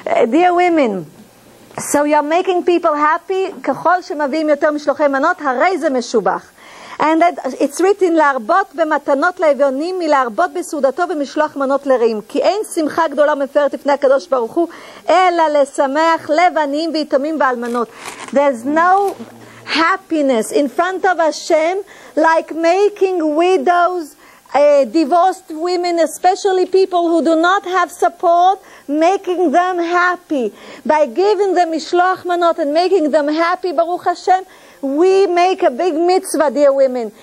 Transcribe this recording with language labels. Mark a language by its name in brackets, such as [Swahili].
[English] Dear women, so you're making people happy. [Hebrew] ככל שמביאים יותר משלוחי מנות, הרי זה משובח. [English] And it's written, [Hebrew] להרבות במתנות לאביונים מלהרבות בסעודתו ומשלוח מנות לרעים. כי אין שמחה גדולה מפארת לפני הקדוש ברוך הוא, אלא לשמח לב עניים ויתומים ואלמנות. [English] There's no happiness in front of Hashem like making widows, divorced women, especially people who do not have support, making them happy. By giving them Mishloach Manot and making them happy, Baruch Hashem, we make a big mitzvah, dear women.